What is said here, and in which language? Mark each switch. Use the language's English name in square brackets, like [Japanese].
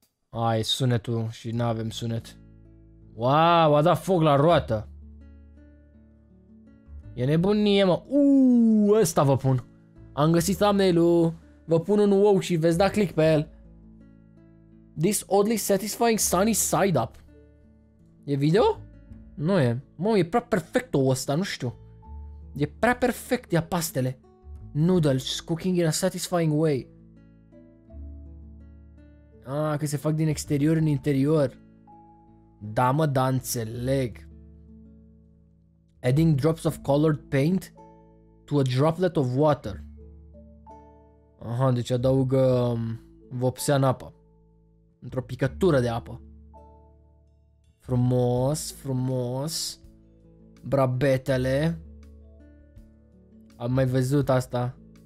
[Romanian] Ai, sunetul și n-avem sunet. Wow, a dat foc la roată. E nebunie, mă. Ăsta vă pun. Am găsit thumbnail-ul. Vă pun un wow și veți da click pe el. [English] This oddly satisfying sunny side up. [Romanian] E video? Nu e. Mă, e prea perfect-o ăsta, nu știu. E prea perfect, ia pastele. [English] Noodles cooking in a satisfying way. [Romanian] Ah, că se fac din exterior în interior. Da, mă, da, înțeleg. [English] Adding drops of colored paint to a droplet of water. [Romanian] Aha, deci adaugă vopsea în apă. Într-o picătură de apă. Frumos, frumos. Brabetele. Am mai văzut asta.